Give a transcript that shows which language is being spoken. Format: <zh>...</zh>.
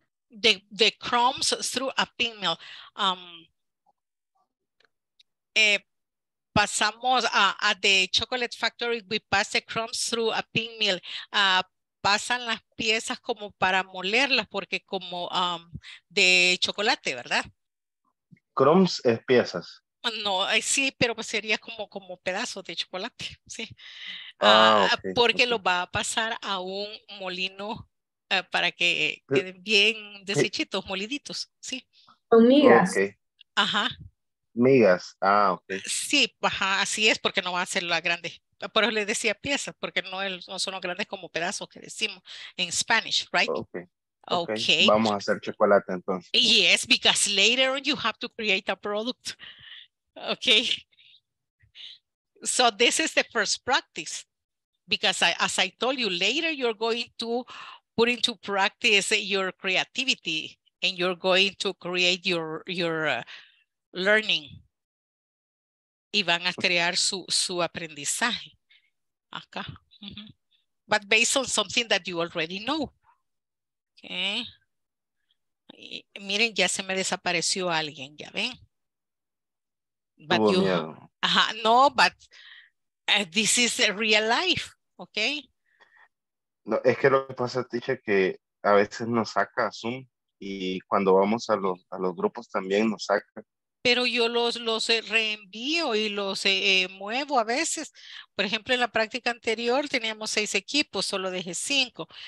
<en>The crumbs through a pin mill. Pasamos at the chocolate factory, we pass the crumbs through a pin mill.</en> <es>Pasan las piezas como para molerlas, porque como de chocolate, ¿verdad? Crumbs es piezas. No, sí, pero sería como pedazos de chocolate, sí. Okay. Porque lo va a pasar a un molino para que queden bien desechitos, moliditos, sí. Con migas. Okay. Ajá. Migas, ah, ok. Sí, ajá, así es, porque no va a ser la grande. Por eso le decía piezas, porque no son los grandes como pedazos que decimos en Spanish, right? Okay. Okay. Vamos a hacer chocolate entonces.</es> <en>Yes, because later on you have to create a product. Okay. So this is the first practice. Because as I told you, later you're going to put into practice your creativity and you're going to create your learning.</en> <es>Y van a crear su aprendizaje acá. Mm-hmm.</es> <en>But based on something that you already know.</en> <es>Okay. Y, miren, ya se me desapareció alguien, ya ven.</es> <en>But you, ajá, no, but this is a real life, okay?</en> <es>No, es que lo que pasa, teacher, que a veces nos saca Zoom y cuando vamos a los grupos también nos saca. Pero yo los reenvío y los muevo a veces. Por ejemplo, en la práctica anterior teníamos 6 equipos, solo dejé 5.</es>